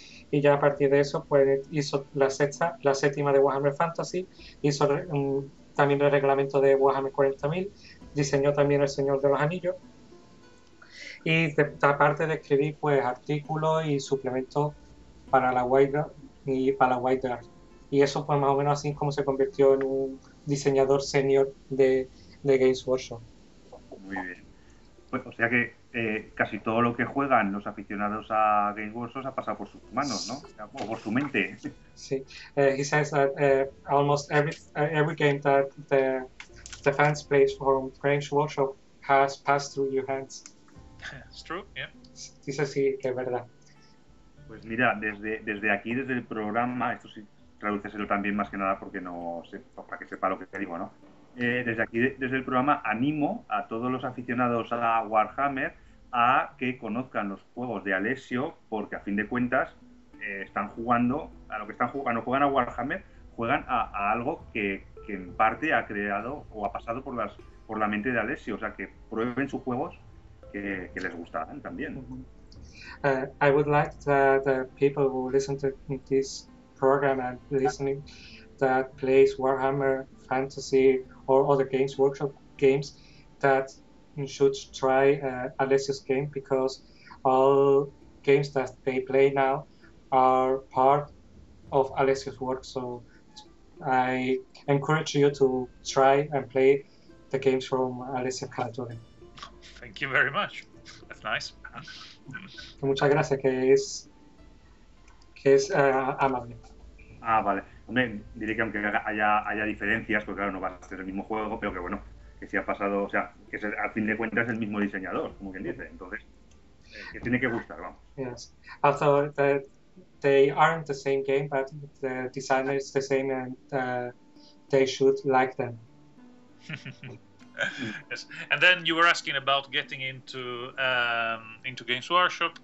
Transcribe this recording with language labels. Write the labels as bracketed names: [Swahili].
[Spanish] Y ya a partir de eso, pues hizo la séptima de Warhammer Fantasy, hizo también el reglamento de Warhammer 40.000, diseñó también El Señor de los Anillos, y aparte de escribir, pues, artículos y suplementos para la White Dwarf. Y eso, pues, más o menos así es como se convirtió en un diseñador senior de Games Workshop. Muy bien. Pues, o sea que casi todo lo que juegan los aficionados a Game Wars ha pasado por sus manos, ¿no? O por su mente. Sí. [English] He says that almost every game that the fans play from Games Workshop has passed through your hands. It's true, yeah. [Spanish] Dice sí, que es verdad. Pues mira, desde aquí, desde el programa, esto sí, tradúceselo también más que nada porque no sé, para que sepa lo que te digo, ¿no? Desde aquí, desde el programa, animo a todos los aficionados a Warhammer a que conozcan los juegos de Alessio, porque a fin de cuentas están jugando a lo que están jugando, juegan a Warhammer, juegan a algo que en parte ha creado o ha pasado por la mente de Alessio, o sea que prueben sus juegos que les gustarán también. [English] I would like that people who listen to this program and listening that plays Warhammer Fantasy or other Games Workshop games that should try Alessio's game, because all games that they play now are part of Alessio's work. So I encourage you to try and play the games from Alessio Calatore. Thank you very much. That's nice. [Spanish] Que muchas gracias, que es amable. Ah, vale. Hombre, diré que aunque haya diferencias, porque claro, no va a ser el mismo juego, pero que bueno, que si ha pasado, o sea, que es, al fin de cuentas es el mismo diseñador, como quien dice. Entonces, que tiene que gustar, vamos. [English] Yes. Also, they aren't the same game, but the designer is the same and they should like them. Yes. And then you were asking about getting into Games Workshop.